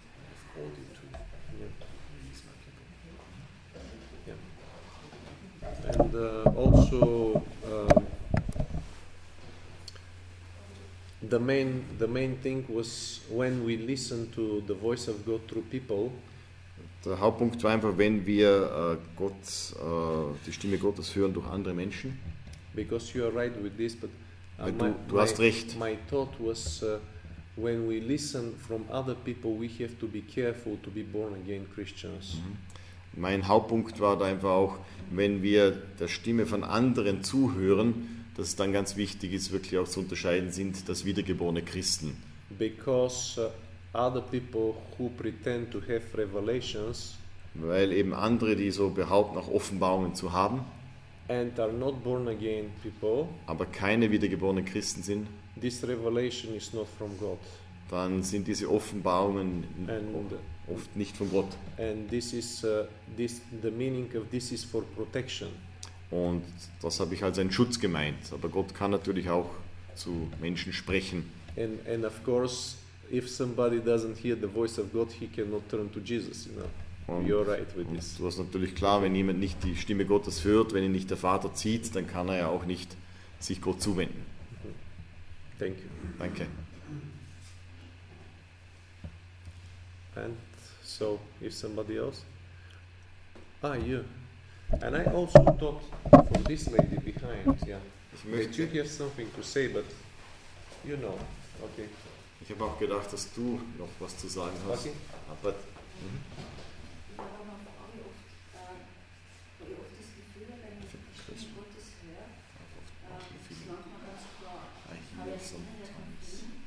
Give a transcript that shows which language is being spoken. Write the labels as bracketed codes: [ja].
[en] I've called you to release my people. Yeah. And also, the main thing was when we listen to the voice of God through people. [de] Der Hauptpunkt war einfach, wenn wir Gott, die Stimme Gottes hören durch andere Menschen. [en] Because you are right with this, but [de] du hast recht. [en] My thought was, when we listen from other people, we have to be careful to be born again Christians. Mhm. [de] Mein Hauptpunkt war da einfach auch, wenn wir der Stimme von anderen zuhören, dass es dann ganz wichtig ist, wirklich auch zu unterscheiden, sind das wiedergeborene Christen. [en] Because other people who pretend to have revelations, [de] weil eben andere, die so behaupten, auch Offenbarungen zu haben, [en] and are not born again people, [de] aber keine wiedergeborenen Christen sind, [en] this revelation is not from God. [de] Dann sind diese Offenbarungen oft nicht von Gott. [en] And this is the meaning of this is for protection. [de] Und das habe ich als einen Schutz gemeint. Aber Gott kann natürlich auch zu Menschen sprechen. [en] And of course, if somebody doesn't hear the voice of God, he cannot turn to Jesus, you know. [de] Und, [en] you're right with this. [de] Das ist natürlich klar, wenn jemand nicht die Stimme Gottes hört, wenn ihn nicht der Vater zieht, dann kann er ja auch nicht sich Gott zuwenden. [en] Thank you. [de] Danke. [en] And so, if somebody else? Ah, you. And I also thought for this lady behind, yeah. Wait, you have something to say, but you know, okay. [de] Ich habe auch gedacht, dass du noch was zu sagen hast. [en] Okay. [de] Aber, Ich habe auch noch Frage, wie oft das Gefühl, wenn ich die Stimme Gottes höre, das ist manchmal ganz klar. Ich habe jetzt so ein Tanz.